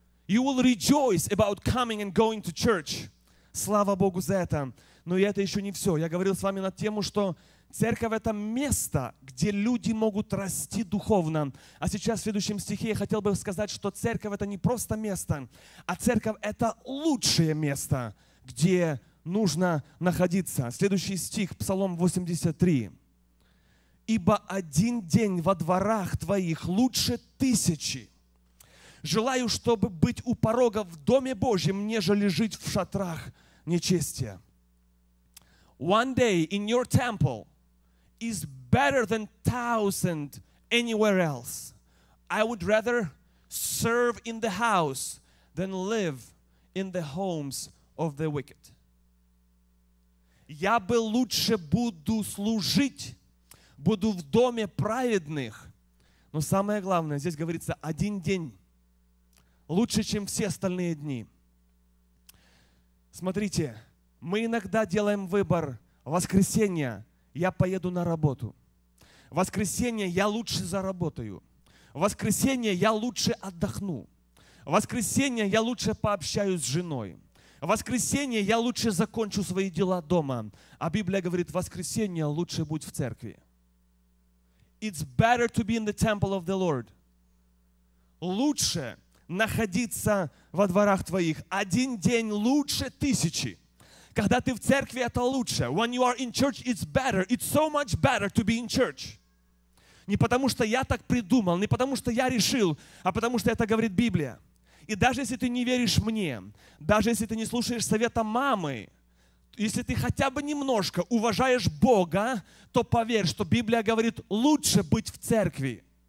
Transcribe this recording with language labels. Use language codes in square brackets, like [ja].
[en] You will rejoice about coming and going to church. [ru] Слава Богу за это. Но это еще не все. Я говорил с вами на тему, что церковь — это место, где люди могут расти духовно. А сейчас в следующем стихе я хотел бы сказать, что церковь — это не просто место, а церковь — это лучшее место, где нужно находиться. Следующий стих, Псалом 83. «Ибо один день во дворах твоих лучше тысячи. Желаю, чтобы быть у порога в Доме Божьем, нежели жить в шатрах нечестия». [en] One day in your temple is better than 1,000 anywhere else. I would rather serve in the house than live in the homes of the wicked. [ru] Я бы лучше буду служить, буду в доме праведных. Но самое главное, здесь говорится, один день лучше, чем все остальные дни. Смотрите, мы иногда делаем выбор воскресенья. Я поеду на работу. Воскресенье я лучше заработаю. Воскресенье я лучше отдохну. Воскресенье я лучше пообщаюсь с женой. Воскресенье я лучше закончу свои дела дома. А Библия говорит, воскресенье лучше будь в церкви. [en] It's better to be in the temple of the Lord. [ru] Лучше находиться во дворах твоих. Один день лучше тысячи. Когда ты в церкви, это лучше. [en] When you are in church, it's better. It's so much better to be in church. [ru] Не потому, что я так придумал, не потому, что я решил, а потому, что это говорит Библия. И даже если ты не веришь мне, даже если ты не слушаешь совета мамы, если ты хотя бы немножко уважаешь Бога, то поверь, что Библия говорит, лучше быть в церкви.